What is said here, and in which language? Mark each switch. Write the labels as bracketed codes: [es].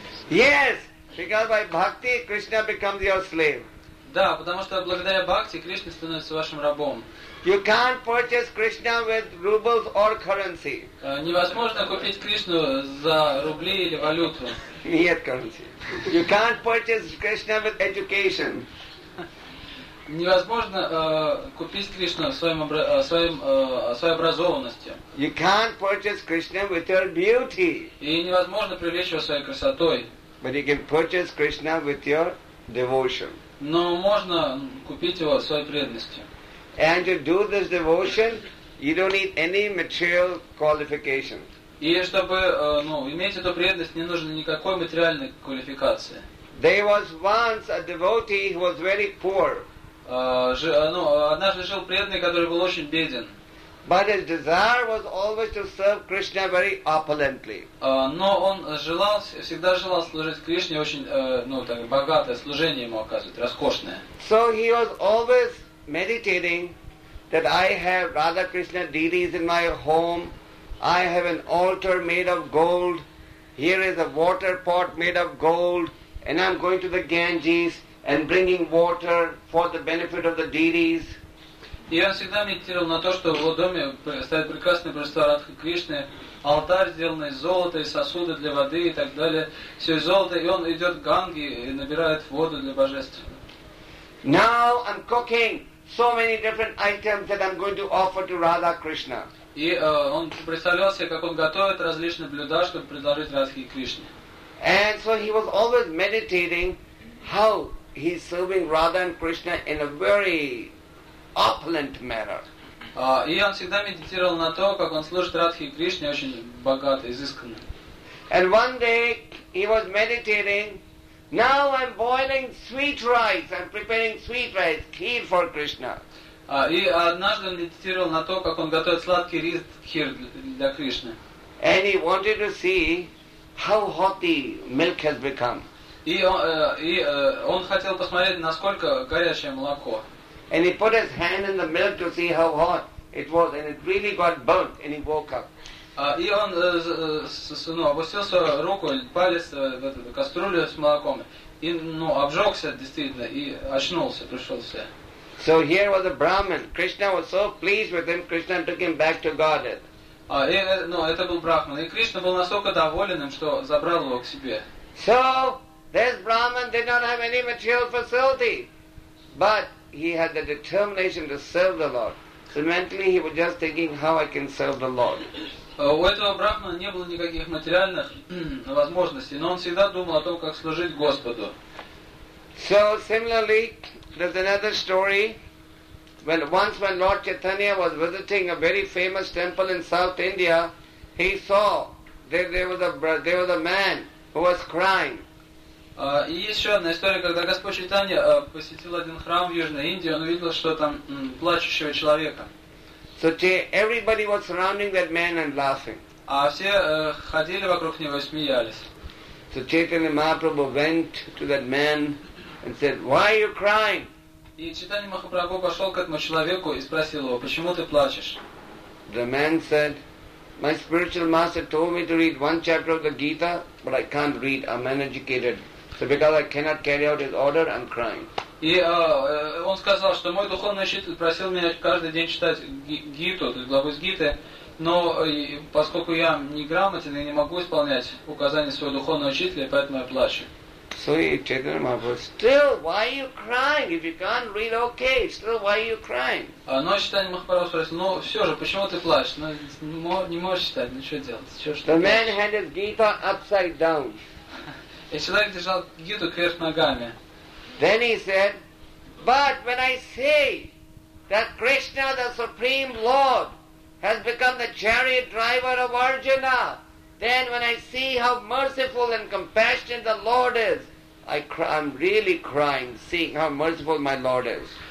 [en] Yes, because by bhakti Krishna becomes your slave. [ru] Да, потому что благодаря бхакти Кришна становится вашим рабом. [en] You can't purchase Krishna with rubles or currency. [ru] Невозможно купить Кришну за рубли или валюту. Нет [en] currency. You can't purchase Krishna with education. [ru] Невозможно купить Кришну своей образованностью. [en] You can't purchase Krishna with your beauty. [ru] И невозможно привлечь его своей красотой. [en] But you can purchase Krishna with your devotion. [ru] Но можно купить его своей преданностью. [en] And to do this devotion, you don't need any material qualification. [ru] И чтобы иметь эту преданность, не нужно никакой материальной квалификации. [en] There was once a devotee who was very poor. [ru] Однажды жил преданный, который был очень беден. [en] But his desire was always to serve Krishna very opulently. [ru] Но он всегда желал служить Кришне очень богатое служение ему оказывать, роскошное. [en] So he was always meditating that I have Radha Krishna deities in my home, I have an altar made of gold, here is a water pot made of gold, and I'm going to the Ganges and bringing water for the benefit of the deities. [ru] И он всегда медитировал на то, что в его доме стоят прекрасные божества Радхи Кришны, алтарь сделанный из золота, и сосуды для воды и так далее, все из золота, и он идет к Ганге и набирает воду для божеств. [en] Now I'm cooking so many different items that I'm going to offer to Radha Krishna. [ru] И он представлял себе, как он готовит различные блюда, чтобы предложить Радхе Кришне. [en] And so he was always meditating how he's serving Radha and Krishna in a very opulent manner. [ru] И он всегда медитировал на то, как он служит Радхе Кришне очень богато, изысканно. [en] And one day he was meditating. Now I'm boiling sweet rice. I'm preparing sweet rice, kheer for Krishna. [ru] И однажды он медитировал на то, как он готовит сладкий рис, кхир для Кришны. [en] And he wanted to see how hot the milk has become. [ru] И он хотел посмотреть, насколько горячее молоко. [en] And he put his hand in the milk to see how hot it was, and it really got burnt, and he woke up. [ru] И он опустил свою руку, палец в эту кастрюлю с молоком, и обжегся действительно, и очнулся, пришел в себя. [en] So here was a Brahmin. Krishna was so pleased with him, Krishna took him back to Godhead. [ru] Это был Брахман, и Кришна был настолько доволен им, что забрал его к себе. [en] So this Brahmin did not have any material facility, but he had the determination to serve the Lord. So mentally he was just thinking how I can serve the Lord. [ru] У этого брахмана не было никаких материальных возможностей, но он всегда думал о том, как служить Господу. [en] So similarly, there's another story. Once when Lord Chaitanya was visiting a very famous temple in South India, he saw that there was a man who was crying. [ru] И есть еще одна история, когда Господь Чайтанья посетил один храм в Южной Индии, он увидел, что там плачущего человека. [en] So everybody was surrounding that man and laughing. [ru] А все ходили вокруг него и смеялись. [en] So Chaitanya Mahaprabhu went to that man and said, "Why are you crying?" [ru] И Чайтанья Махапрабху пошел к этому человеку и спросил его, почему ты плачешь? [en] The man said, "My spiritual master told me to read one chapter of the Gita, but I can't read. I'm uneducated. So because I cannot carry out his order, I'm crying." [ru] И он сказал, что мой духовный учитель просил меня каждый день читать Гиту, то есть главу из Гиты, но поскольку я неграмотен и не могу исполнять указания своего духовного учителя, поэтому я плачу. [en] So Chaitanya Mahaprabhu, "Still, why are you crying? If you can't read, okay. Still, why are you crying?" [ru] Но Чайтанья Махапрабху спросил, "Ну все же, почему ты плачешь? Ну не можешь читать, ну что делать? Что ж ты?" [en] The man had his Gita upside down. [ru] И человек держал Гиту кверх ногами. [en] Then he said, "But when I say that Krishna, the Supreme Lord, has become the chariot driver of Arjuna, then when I see how merciful and compassionate the Lord is, I'm really crying, seeing how merciful my Lord is."